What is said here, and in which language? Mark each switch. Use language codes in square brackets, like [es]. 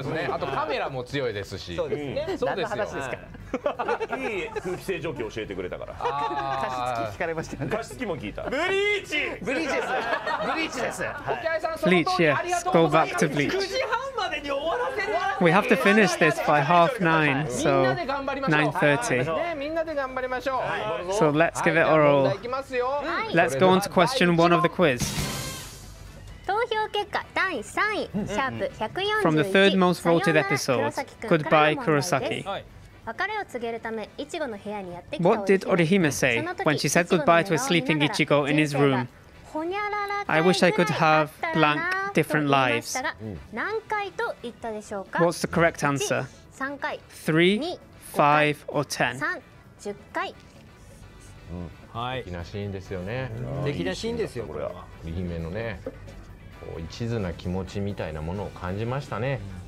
[ja] あとカメラも強いですし。そうですね。何の話ですか？いい空気清浄機教えてくれたから。加湿器聞かれましたよね。加湿器も聞いた。ブリーチ。ブリーチです。ブリーチです。 [en] Bleach, yes. Go back to Bleach. [ja] 9時半までに終わらせる。 [en] We have to finish this by half nine, so 9:30. [ja] みんなで頑張りましょう。 [en] So let's give it our all. Let's go on to question one of the quiz. [ja] 投票結果第3位、シャープ141。 [en] From the third most voted episode, Goodbye Kurosaki. [ja] 別れを告げるため、イチゴの部屋にやってきた。 [en] What did Orihime say when she said goodbye to a sleeping Ichigo in his room? I wish I could have blank different lives. [ja] 何回と言ったでしょうか？ [en] What's the correct answer? [ja] 三回。 [en] Three, five, or ten? [ja] 三、十回。はい。素敵なシーンですよね。素敵なシーンですよ、これは。 Orihimeのね、一途な気持ちみたいなものを感じましたね。